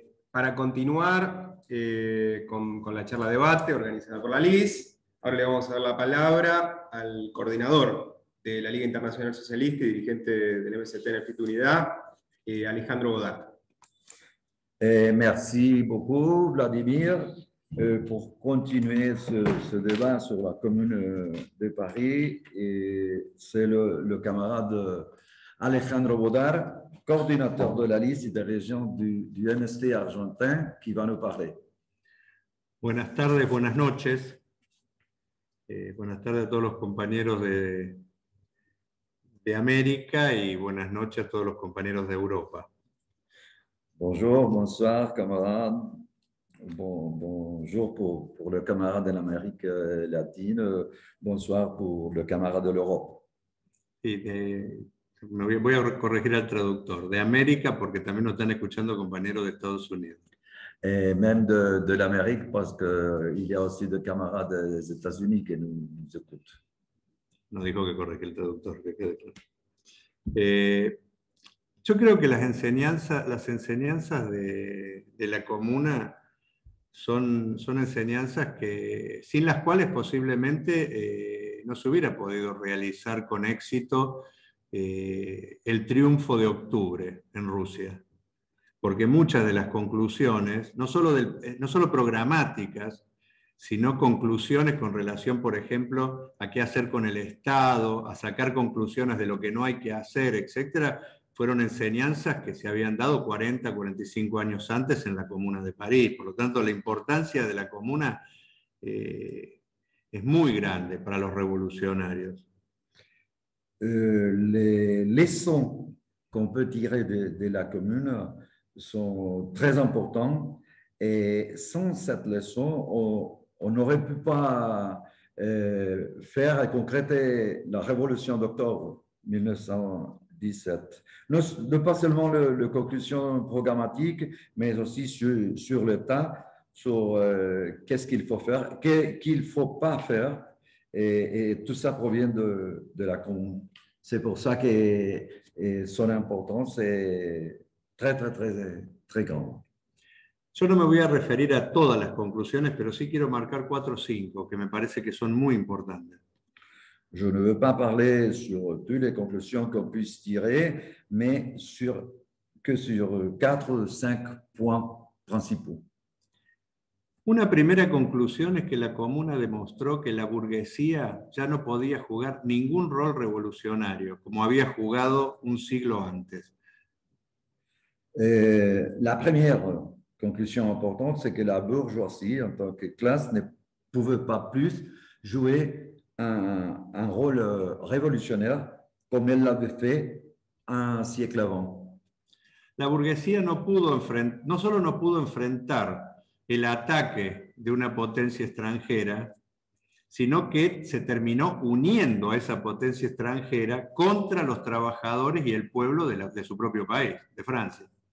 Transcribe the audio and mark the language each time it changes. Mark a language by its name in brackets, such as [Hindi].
[Spanish] Para continuar con la charla debate organizada por la LIS, ahora le vamos a dar la palabra al coordinador de la Liga Internacional Socialista y dirigente del MST en el Fito Unidad, Alejandro Godard. [French] Merci beaucoup, Vladimir, pour continuer ce débat sur la Commune de Paris. Et c'est le camarade Alejandro Godard, coordinateur de la liste des régions du MST argentin, qui va nous parler. [Spanish] Buenas tardes, buenas noches. Buenas tardes a todos los compañeros de América y buenas noches a todos los compañeros de Europa. [French] Bonjour, bonsoir, camarade. Bonjour pour le camarade de l'Amérique latine. Bonsoir pour le camarade de l'Europe. [Spanish] Voy a corregir al traductor. De América, porque también nos están escuchando compañeros de Estados Unidos. [French] Et même de l'Amérique, parce qu'il y a aussi des camarades des États-Unis qui nous écoutent. [Spanish] No dijo que corregir el traductor, que quede claro. Yo creo que las enseñanzas de la comuna son enseñanzas que, sin las cuales posiblemente no se hubiera podido realizar con éxito el triunfo de octubre en Rusia. Porque muchas de las conclusiones, no solo programáticas, sino conclusiones con relación, por ejemplo, a qué hacer con el Estado, a sacar conclusiones de lo que no hay que hacer, etcétera, fueron enseñanzas que se habían dado 40, 45 años antes en la Comuna de París. Por lo tanto, la importancia de la Comuna es muy grande para los revolucionarios. [French] Les leçons qu'on peut tirer de la Comuna sont très importantes, et sans cette leçon, on n'aurait pu pas faire et concréter la révolution d'octobre 1917. Non pas seulement les conclusions programmatiques, mais aussi sur le tas, sur qu'est-ce qu'il faut faire, qu'il ne faut pas faire, et tout ça provient de la commune. C'est pour ça que son importance est très, très, très, très grand. [Spanish] Yo no me voy a referir a todas las conclusiones, pero sí quiero marcar 4 o 5 que me parece que son muy importantes. [French] Je ne veux pas parler sur toutes les conclusions qu'on puisse tirer, mais sur 4 ou 5 points principaux. [Spanish] Una primera conclusión es que la comuna demostró que la burguesía ya no podía jugar ningún rol revolucionario como había jugado un siglo antes. [French] La première conclusion importante, c'est que la bourgeoisie, en tant que classe, ne pouvait pas plus jouer un rôle révolutionnaire comme elle l'avait fait un siècle avant. [Spanish] La burguesía no solo no pudo enfrentar el ataque de una potencia extranjera, sino que se terminó uniendo a esa potencia extranjera contra los trabajadores y el pueblo de su propio país, de Francia.